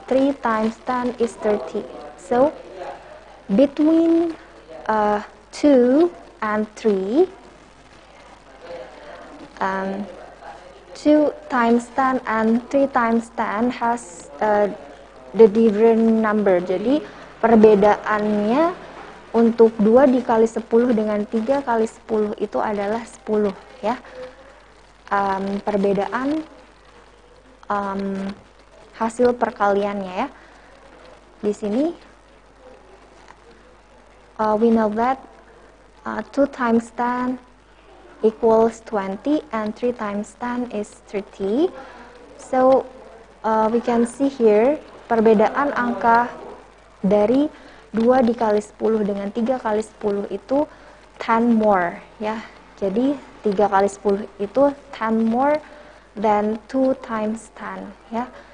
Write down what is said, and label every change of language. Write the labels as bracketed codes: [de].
[en] 3 times 10 is 30. So between 2 and 3, 2 times 10 and 3 times 10 has the different number. [id] Jadi perbedaannya untuk 2 dikali 10 dengan 3 kali 10 itu adalah 10, ya. Perbedaan hasil perkaliannya, ya. Di sini [en] we know that 2 times 10 equals 20 and 3 times 10 is 30. So we can see here [id] perbedaan angka dari 2 dikali 10 dengan 3 kali 10 itu [en] 10 more, [id] ya. Jadi 3 kali 10 itu [en] 10 more than 2 times 10, [id] ya.